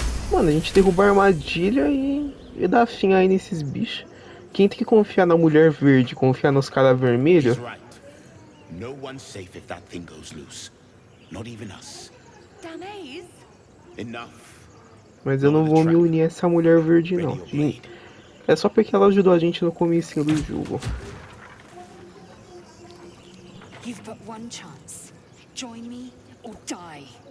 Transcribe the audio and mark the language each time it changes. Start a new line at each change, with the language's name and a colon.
Portuguese: Mano, a gente derrubar a armadilha e dar fim aí nesses bichos. Quem tem que confiar na mulher verde? Confiar nos caras vermelhos?
English: No one's safe if that thing goes loose. Not even us. Damaze. Enough.
Portuguese: Mas eu não vou me unir a essa mulher verde não. É só porque ela ajudou a gente no comecinho do jogo.
English: You've but one chance. Join me or die.